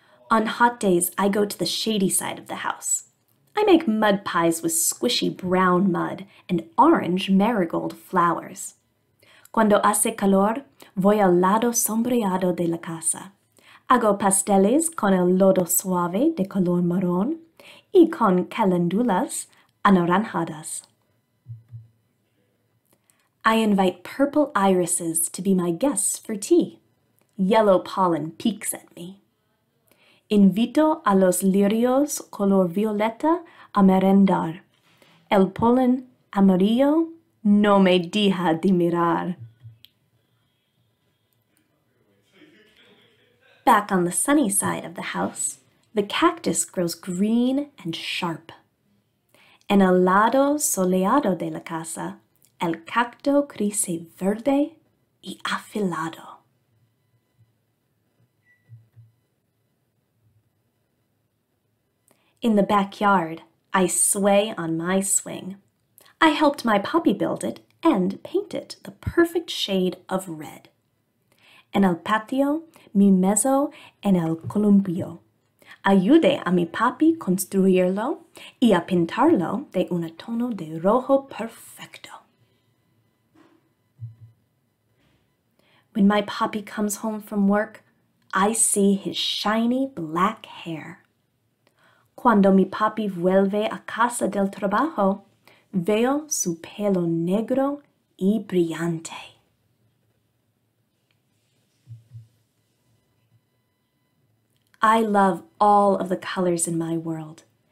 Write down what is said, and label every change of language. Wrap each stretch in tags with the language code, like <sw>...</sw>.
<en>On hot days, I go to the shady side of the house. I make mud pies with squishy brown mud and orange marigold flowers.</en> <es>Cuando hace calor, voy al lado sombreado de la casa. Hago pasteles con el lodo suave de color marrón y con calendulas anaranjadas.</es> <en>I invite purple irises to be my guests for tea. Yellow pollen peeks at me.</en> <es>Invito a los lirios color violeta a merendar. El polen amarillo no me deja de mirar.</es> <en>Back on the sunny side of the house, the cactus grows green and sharp.</en> <es>En el lado soleado de la casa, el cacto crece verde y afilado.</es> <en>In the backyard, I sway on my swing. I helped my puppy build it and paint it the perfect shade of red.</en> <es>En el patio, mi mezo en el columpio. Ayude a mi papi construirlo y a pintarlo de un tono de rojo perfecto.</es> <en>When my papi comes home from work, I see his shiny black hair.</en> <es>Cuando mi papi vuelve a casa del trabajo, veo su pelo negro y brillante.</es> <en>I love all of the colors in my world.</en>